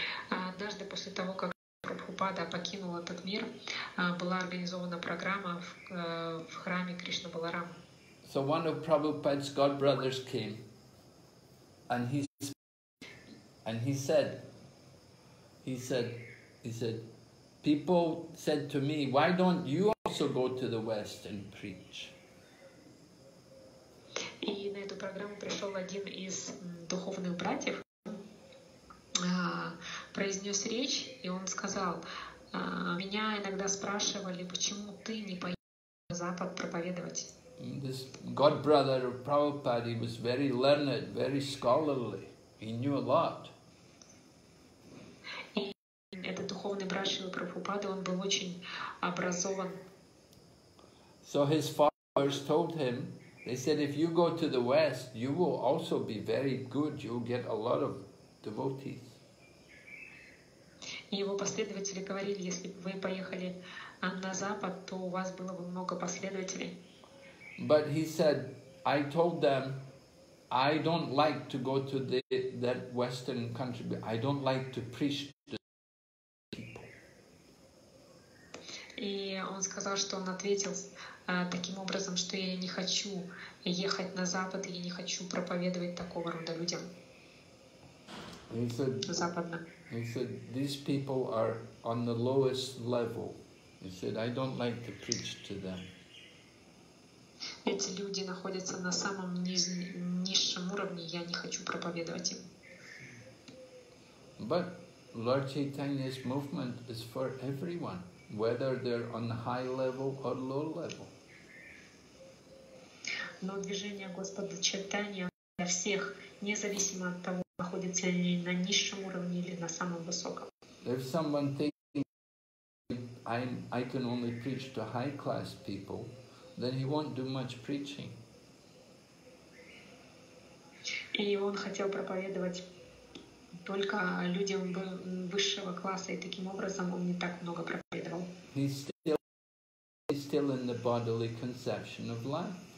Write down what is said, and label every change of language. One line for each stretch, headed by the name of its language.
Russian: Однажды после того, как Прабхупада покинул этот мир, была организована программа в храме Кришна Баларам.
English: So one of Prabhupada's godbrothers came, and he said, people said to me, why don't you also go to the West and preach?
Russian: И на эту программу пришел один из духовных братьев. Произнес речь, и он сказал, меня иногда спрашивали, почему ты не поедешь на Запад проповедовать.
English: This godbrother of Prabhupada was very learned, very scholarly. He knew a lot.
Russian: И этот духовный брат Шрилы Прабхупады, он был очень образован.
English: So his followers told him, they said, if you go to the West, you will also be very good, you'll get a lot of devotees.
Russian: И его последователи говорили, если бы вы поехали на Запад, то у вас было бы много последователей.
English: But he said, I told them, I don't like to go to that Western country. I don't like to preach to people.
Russian: И он сказал, что он ответил таким образом, что я не хочу ехать на Запад, и я не хочу проповедовать такого рода людям.
English: He said, these people are on the lowest level. He said, I don't like to preach to them.
Russian: эти люди находятся на самом низшем уровне, я не хочу проповедовать им.
English: But Lord Chaitanya's movement is for everyone, whether they're on high level or low level.
Russian: Но движение Господа Чайтанья для всех, независимо от того, находятся ли они на низшем уровне или на самом высоком.
English: If someone thinks I can only preach to high class people, then he won't do much preaching.
Russian: И он хотел проповедовать только людям высшего класса, и таким образом он не так много проповедовал.
English: He's still in the bodily conception of life.